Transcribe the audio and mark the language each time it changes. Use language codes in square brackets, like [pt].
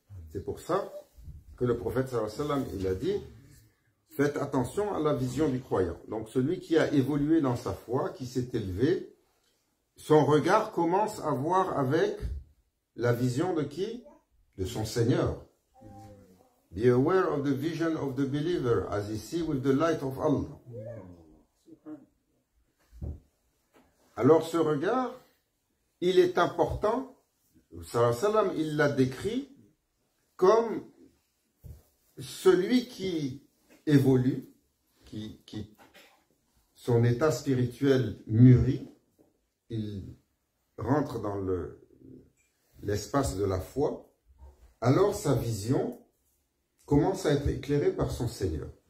[fr] C'est pour ça que le prophète [ar] sallallahu alayhi wa sallam, [fr] il a dit, faites attention à la vision du croyant. Donc celui qui a évolué dans sa foi, qui s'est élevé, son regard commence à voir avec la vision de qui? De son Seigneur. [en] Be aware of the vision of the believer as he sees with the light of Allah. [fr] Alors ce regard, il est important, il l'a décrit comme celui qui évolue, qui son état spirituel mûrit, il rentre dans l'espace de la foi, alors sa vision commence à être éclairée par son Seigneur.